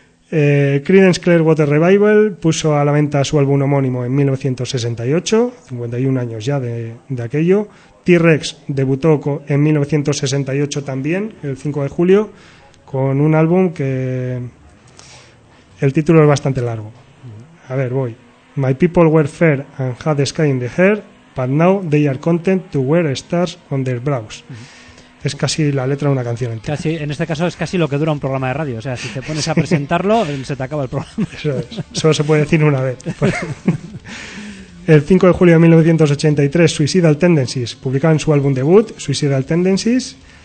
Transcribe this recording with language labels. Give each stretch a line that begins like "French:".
Spanish: Creedence Clearwater Revival puso a la venta su álbum homónimo en 1968, 51 años ya de aquello. T-Rex debutó en 1968 también, el 5 de julio, con un álbum que el título es bastante largo. A ver, voy.
English: My people were fair and had the sky in the hair, but now they are content to wear stars on their brows.
Spanish: Es casi la letra de una canción entera. Casi, en este caso es casi lo que dura un programa de radio. O sea, si te pones a presentarlo, se te acaba el programa. Eso es. Solo se puede decir una vez. El 5 de julio de 1983, Suicidal Tendencies publicaban su álbum debut, Suicidal Tendencies.